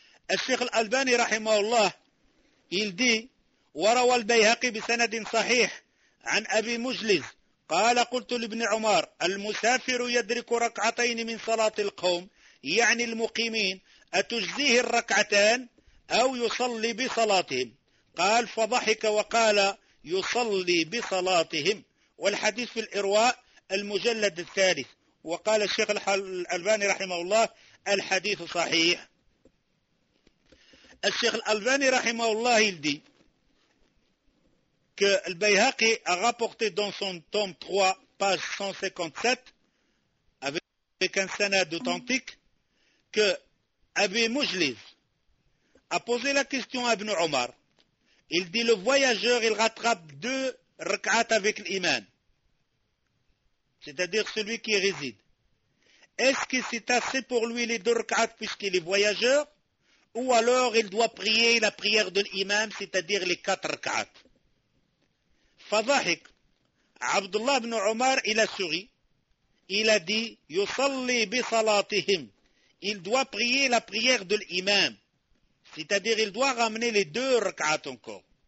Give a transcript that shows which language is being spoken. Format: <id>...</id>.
<ar>الشيخ الألباني رحمه الله يلدي وروى البيهقي بسند صحيح عن أبي مجلز قال قلت لابن عمر المسافر يدرك ركعتين من صلاة القوم يعني المقيمين أتجزيه الركعتان أو يصلي بصلاتهم؟ قال فضحك وقال يصلي بصلاتهم. والحديث في الإرواء المجلد الثالث. وقال الشيخ الألباني رحمه الله الحديث صحيح. الشيخ الألباني رحمه الله يلدي</ar> <fr>que Al-Bayhaqi a rapporté dans son tome 3, page 157, avec un sanad authentique, que Abi Mujliz a posé la question à Ibn Omar. Il dit, le voyageur, il rattrape deux rak'at avec l'imam, c'est-à-dire celui qui réside. Est-ce que c'est assez pour lui les deux rak'at puisqu'il est voyageur, ou alors il doit prier la prière de l'imam, c'est-à-dire les quatre rak'at?</fr> <ar>فضحك عبد الله بن عمر إلى سوري</ar> <fr>il a dit</fr> <ar>yusalli bi salatihim.</ar> <fr>Il doit prier la prière de l'imam. C'est-à-dire, il doit ramener les deux rak'at encore.</fr>